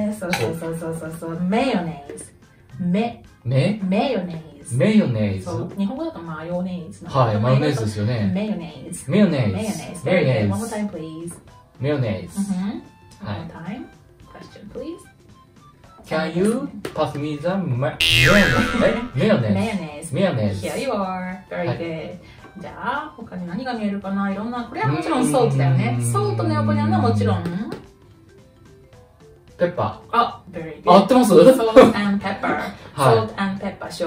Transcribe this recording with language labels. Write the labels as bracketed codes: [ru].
[ja] そうそうそうそうそうそう、マヨネーズ。マヨネーズ。マヨネーズ。そう、日本語だとマヨネーズ。はい、マヨネーズですよね。マヨネーズ。マヨネーズ。マヨネーズ。マヨネーズ。 [en] One more time, please. [ja] マヨネーズ。はい。 [en] One more time. Question, please. Can you pass me the mayonnaise? Mayonnaise. Mayonnaise. Here you are. Very good.、 [ja] はい、じゃあ、他に何が見えるかな？いろんな、これはもちろんソースだよね。ソースの横にあるのはもちろん。ペッパー。 [en] あ、very good。 [ja] 合ってます？ソース and pepper 、はい。ソース and pepper。